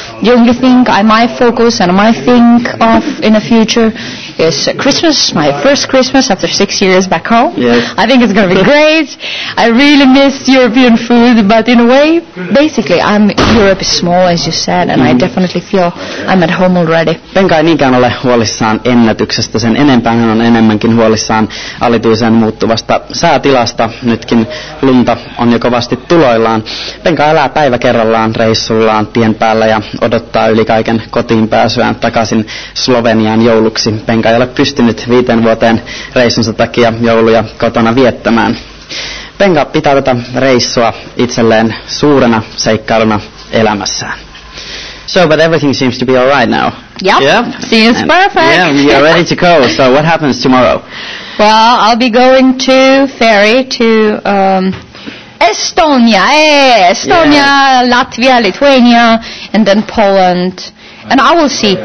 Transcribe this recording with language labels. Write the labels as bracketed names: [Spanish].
[English] The only thing I might focus and I might think of in the future is Christmas, my first Christmas after 6 years back home. Yes. I think it's going to be great. I really miss European food, but in a way, basically, Europe is small, as you said, and I definitely feel I'm at home already. [Finnish] Penka ei niinkään ole huolissaan ennätyksestä. Sen enempään hän on enemmänkin huolissaan alituisen muuttuvasta säätilasta. Nytkin lunta on jo kovasti tuloillaan. Penka elää päivä kerrallaan reissullaan tien päällä ja odottaa yli kaiken kotiin pääsyään takaisin Sloveniaan jouluksi. Penka ei ole pystynyt 5 vuoteen reissunsa takia jouluja kotona viettämään. Penka pitää tätä reissua itselleen suurena seikkailuna elämässään. [English] So, but everything seems to be all right now. Yep. Yeah. Seems perfect. Yeah, we are ready to go. So, what happens tomorrow? Well, I'll be going to ferry to Estonia. Estonia, yeah. Latvia, Lithuania, and then Poland. And I will see.